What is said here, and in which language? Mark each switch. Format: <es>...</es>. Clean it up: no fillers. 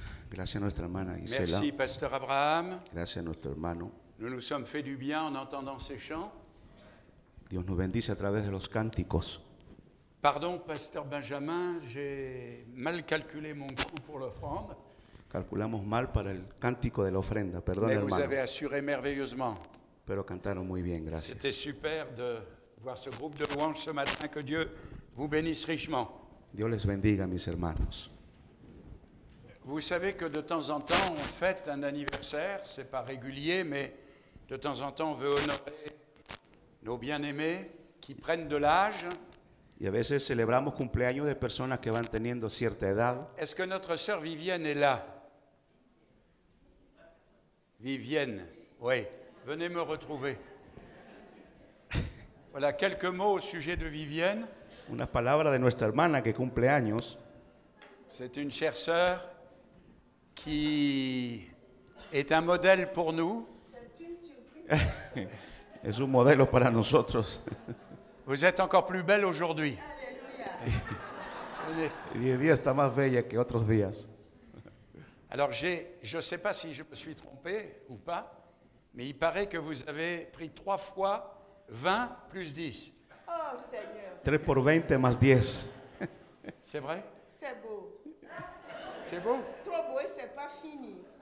<es>Gracias a nuestra hermana Gisela.</es> <fr>Merci Pasteur Abraham.</fr> <es>Gracias a nuestro hermano.</es> <fr>Nous nous sommes fait du bien en entendant ces chants.</fr> <es>Dios nos bendice a través de los cánticos.</es> <fr>Pardon Pasteur Benjamin, j'ai mal calculé mon coût pour l'offrande.</fr> <es>Calculamos mal para el cántico de la ofrenda, perdón</es> <fr>Mais</fr> <es>hermano.</es> <fr>Vous avez assuré merveilleusement.</fr> <es>Pero cantaron muy bien, gracias.</es> <fr>C'était super de voir ce groupe de louanges ce matin, que Dieu vous bénisse richement.</fr> <es>Dios les bendiga, mis hermanos.</es> <fr>Vous savez que de temps en temps, on fête un anniversaire, ce n'est pas régulier, mais de temps en temps, on veut honorer nos bien-aimés qui prennent de l'âge. Y a veces celebramos cumpleaños de personas que van teniendo cierta edad. Est-ce que notre sœur Vivienne est là? Vivienne, oui, venez me retrouver. Voilà, quelques mots au sujet de Vivienne.</fr> <es>Unas palabras de nuestra hermana que cumple años.</es> <fr>C'est une chère sœur qui est un modèle pour nous.</fr> <es>Es un modelo para nosotros.</es> <fr>Vous êtes encore plus belle aujourd'hui. Alléluia.</fr> <es>Hoy día está más bella que otros días.</es> <fr>Alors je sais pas si je me suis trompé ou pas, mais il paraît que vous avez pris 3 fois 20 plus 10. Oh Seigneur.</fr> <es>3 por 20 más 10.</es> <fr>C'est vrai? C'est beau. C'est beau? Trop beau et c'est pas fini.</fr>